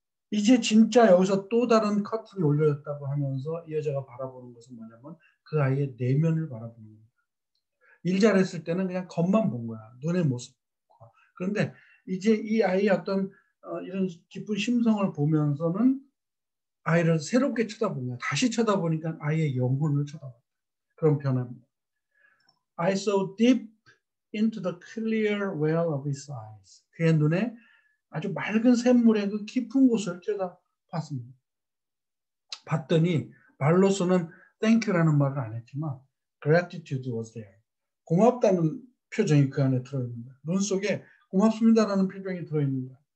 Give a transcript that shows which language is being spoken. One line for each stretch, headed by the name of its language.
Korean: 이제 진짜 여기서 또 다른 커튼이 올려졌다고 하면서 이 여자가 바라보는 것은 뭐냐면 그 아이의 내면을 바라보는 거예요. 일 잘했을 때는 그냥 겉만 본 거야. 눈의 모습과. 그런데 이제 이 아이의 어떤 이런 깊은 심성을 보면서는 아이를 새롭게 쳐다본 거야. 다시 쳐다보니까 아이의 영혼을 쳐다봤다. 그런 변화입니다.
English: I saw deep into the clear well of his eyes.
Korean: 그의 눈에 아주 맑은 샘물의 그 깊은 곳을 쳐다봤습니다. 봤더니 말로서는 thank you라는 말을 안 했지만
English: gratitude was there.
Korean: 고맙다는 표정이 그 안에 들어있습니다. 눈 속에 고맙습니다라는 표정이 들어있습니다.